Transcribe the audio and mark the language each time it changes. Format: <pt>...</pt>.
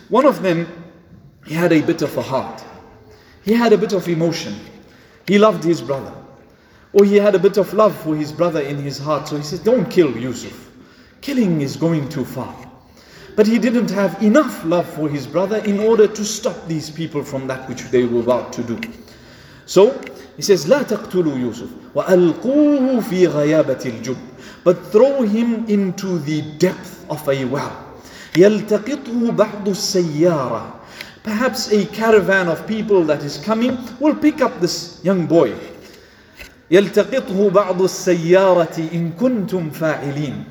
<en>One of them, he had a bit of a heart. He had a bit of emotion. He loved his brother. Or he had a bit of love for his brother in his heart. So he said, don't kill Yusuf. Killing is going too far. But he didn't have enough love for his brother in order to stop these people from that which they were about to do. So he says,</en> <ar>لَا تَقْتُلُوا يُوسُفْ وَأَلْقُوهُ فِي غَيَابَةِ الْجُبْ.</ar> <en>But throw him into the depth of a well.</en> <ar>يَلْتَقِطُهُ بَعْضُ السَّيَّارَةِ.</ar> <en>Perhaps a caravan of people that is coming will pick up this young boy.</en> <ar>يَلْتَقِطْهُ بَعْضُ السَّيَّارَةِ إِن كُنْتُمْ فَاعِلِينَ.</ar>